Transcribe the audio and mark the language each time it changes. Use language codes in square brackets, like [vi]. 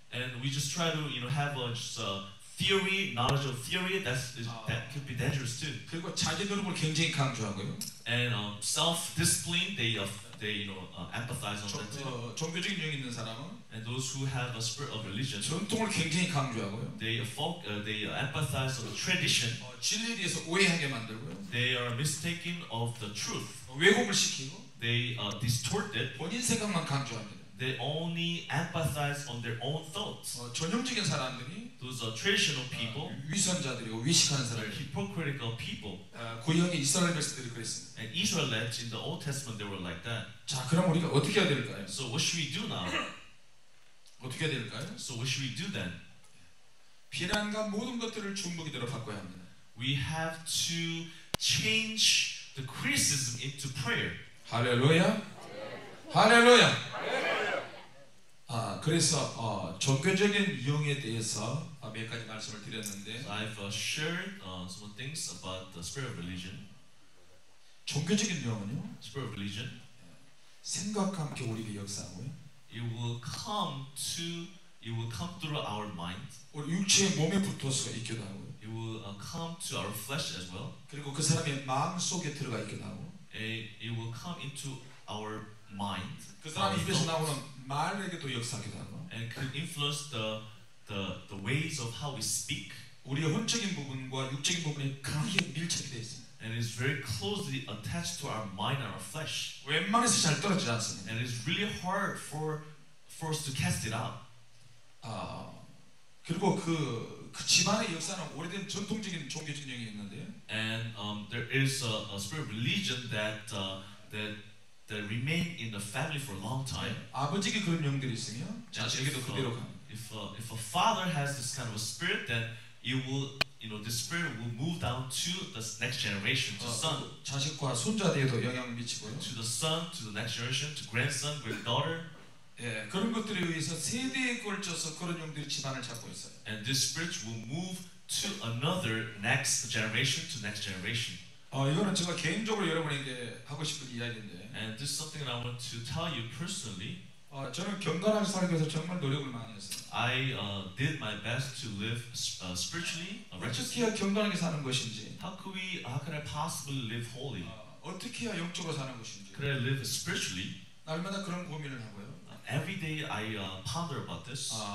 [en] And we just try to, you know, have a theory, knowledge of theory, that could be dangerous too. [ko] 그리고 자기 노력을 굉장히 강조하고요. [en] And self-discipline, they you know, empathize on that too. [ko] 종교적인 영이 있는 사람은. [en] And those who have a spirit of religion. [ko] 전통을 굉장히 강조하고요. [en] They empathize on the tradition. [ko] 진리에 대해서 오해하게 만들고요. [en] They are mistaken of the truth. [ko] 왜곡을 시키고. [en] They distort it. [ko] 본인 생각만 강조합니다. [en] They only empathize on their own thoughts. [ko] 전형적인 사람들이 [en] those are traditional people. [ko] 위선자들이고 위식하는 사람들. [en] Hypocritical people. [ko] 구약의 이스라엘 백성들이 그랬습니다. [en] And Israelites in the Old Testament they were like that. [ko] 자 그럼 우리가 어떻게 해야 될까요? [en] So what should we do now? [ko] 어떻게 해야 될까요? [en] So what should we do then? [ko] 비난과 모든 것들을 중복이대로 바꿔야 합니다. [en] We have to change the criticism into prayer. [ko] 할렐루야. 할렐루야. 그래서 종교적인 영에 대해서 몇 가지 말씀을 드렸는데 [en] so I've shared some things about the spirit of religion. [ko] 종교적인 영은요? [en] Spirit of religion. [ko] 생각과 함께 우리에게 역사하고요. [en] It will come through our mind. [ko] 우리 육체의 몸에 붙어서 있기도 하고요. [en] It will come to our flesh as well. [ko] 그리고 그 사람의 마음 속에 들어가 있기도 하고. [en] It will come into our mind. [ko] 그 사람 입에서 나오는 말에게도 역사하기도 하고. [en] And can influence the ways of how we speak. [ko] 우리의 혼적인 부분과 육적인 부분이 강하게 밀착되어 있어요. [en] And it's very closely attached to our mind and our flesh. [ko] 웬만해서 잘 떨어지지 않습니다. [en] And it's really hard for us to cast it out. [ko] 그리고 그 집안의 역사는 오래된 전통적인 종교적인 영이 있는데요. [en] And there is a spirit of religion that remain in the family for a long time. [ko] 아버지에게 그런 영들이 있으면 자식에게도 그대로 가. [en] If a father has this kind of a spirit, then it will, you know, the spirit will move down to the next generation, to son. [ko] 자식과 손자들에게도 영향을 미치고요. [en] To the son, to the next generation, to grandson, granddaughter. [ko] 예, 그런 것들에 의해서 세대에 걸쳐서 그런 영들이 집안을 잡고 있어요. [en] And this spirit will move to another next generation, to next generation. [ko] 이거는 제가 개인적으로 여러분에게 하고 싶은 이야기인데. [en] And this is something that I want to tell you personally. [ko] 저는 경건하게 살기 위해서 정말 노력을 많이 했어요. [en] I did my best to live spiritually. [ko] 어떻게 해야 경건하게 사는 것인지. [en] How can I possibly live holy? [ko] 어떻게 해야 영적으로 사는 것인지. [en] Could I live spiritually? [ko] 날마다 그런 고민을 하고요. [en] Every day I ponder about this.